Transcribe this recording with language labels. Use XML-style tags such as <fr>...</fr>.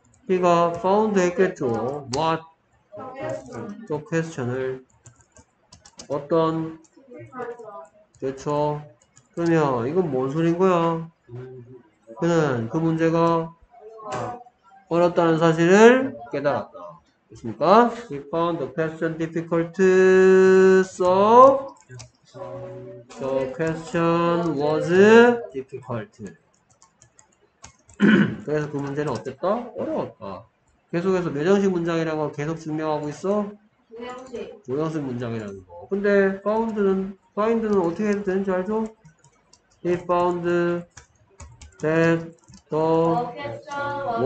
<ko>he가 found 했겠죠. what? the question을 어떤 그렇죠. 그러면 이건 뭔 소린 거야? 그는 그 문제가 어렵다는 사실을 깨달았다. 됐습니까?</ko> <en>He found the question difficult, so the question was difficult.</en> <ko>그래서 그 문제는 어땠다? 어려웠다. 계속해서 몇 형식 문장이라는 걸 계속 증명하고 있어? 두 형식 문장이라는 거. 근데 find는 어떻게 해도 되는지 알죠?</ko> <en>He found that the</en>